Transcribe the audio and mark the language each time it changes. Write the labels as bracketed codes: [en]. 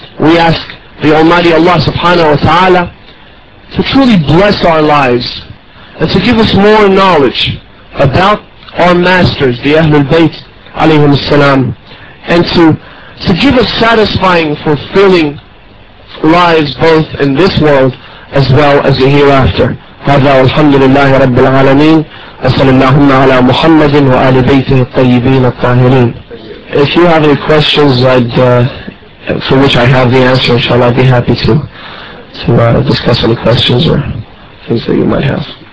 [en] We ask the Almighty Allah subhanahu wa ta'ala to truly bless our lives and to give us more knowledge about our masters, the Ahlul Bayt, alayhim salam, and to give us satisfying, fulfilling lives both in this world as well as the hereafter. [ar] هذا والحمد لله رب العالمين وصلى الله على محمد وآل بيته الطيبين الطاهرين. [en] If you have any questions for which I have the answer, inshallah, I'd be happy to discuss any questions or things that you might have.